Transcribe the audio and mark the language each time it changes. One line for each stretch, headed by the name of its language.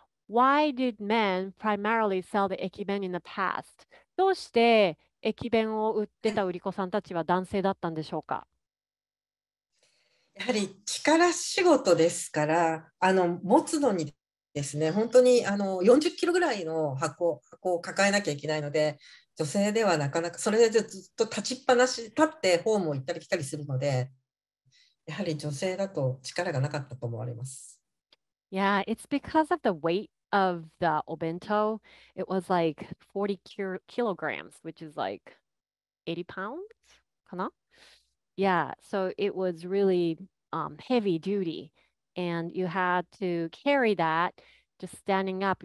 English: Why did men primarily sell the ekiben in the past?
Japanese: どうして ekiben を売ってた売り子さんたちは男性だったんでしょうか？やはり力仕事ですから、あの、持つのにですね、本当にあの40キロぐらいの 箱を抱えなきゃいけないので、女性ではなかなか、それでずっと立ちっぱなし、立ってホームを行ったり来たりするので、やはり女性だと力がなかったと思われます。
English: Yeah, it's because of the weight of the obento. It was like 40 kilograms, which is like 80 pounds かな? Yeah, so it was really heavy duty. And you had to carry that just standing up.